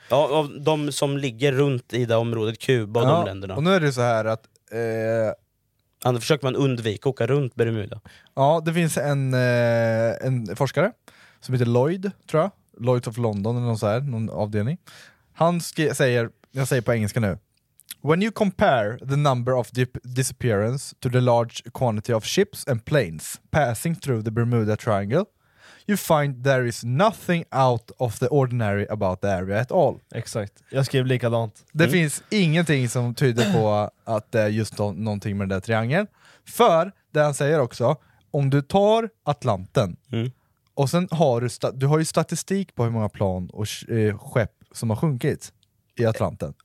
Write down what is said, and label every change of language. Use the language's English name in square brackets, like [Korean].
[Swedish] Ja, av de som ligger runt i det området, Kuba och de länderna. Och nu är det så här att... Annars försöker man undvika att åka runt Bermuda. Ja, det finns en forskare som heter Lloyd, tror jag. Lloyd of London eller någon så här, någon avdelning. Han säger, jag säger på engelska nu. [English] When you compare the number of disappearance to the large quantity of ships and planes passing through the Bermuda Triangle, you find there is nothing out of the ordinary about the area at all. [Swedish] Exakt. Jag skrev likadant. Det finns ingenting som tyder på att det är just någonting med den där triangeln. För, det han säger också, om du tar Atlanten och sen har du har ju statistik på hur många plan och skepp som har sjunkit i Atlanten.